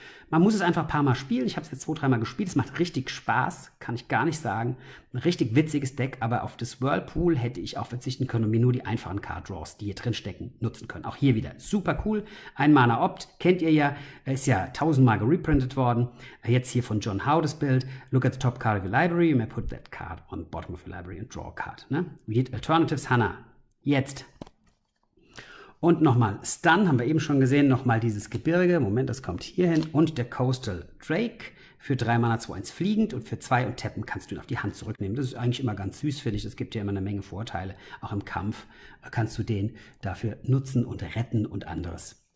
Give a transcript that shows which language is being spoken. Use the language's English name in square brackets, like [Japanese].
[German] Man muss es einfach ein paar Mal spielen. Ich habe es jetzt 2, 3 Mal gespielt. Es macht richtig Spaß, kann ich gar nicht sagen. Ein richtig witziges Deck, aber auf das Whirlpool hätte ich auch verzichten können und mir nur die einfachen Card Draws, die hier drin stecken, nutzen können. Auch hier wieder super cool. 1 Mana Opt, kennt ihr ja. Ist ja 1000-mal gereprintet worden. Jetzt hier von John Howe das Bild. [English] Look at the top card of your library. You may put that card on the bottom of your library and draw a card. Ne? We need alternatives, Hannah. [German] Jetzt. Und nochmal Stun, haben wir eben schon gesehen. Nochmal dieses Gebirge. Moment, das kommt hier hin. Und der Coastal Drake für 3 Mana 2/1 fliegend. Und für 2 und tappen kannst du ihn auf die Hand zurücknehmen. Das ist eigentlich immer ganz süß, finde ich. Das gibt dir immer eine Menge Vorteile. Auch im Kampf kannst du den dafür nutzen und retten und anderes.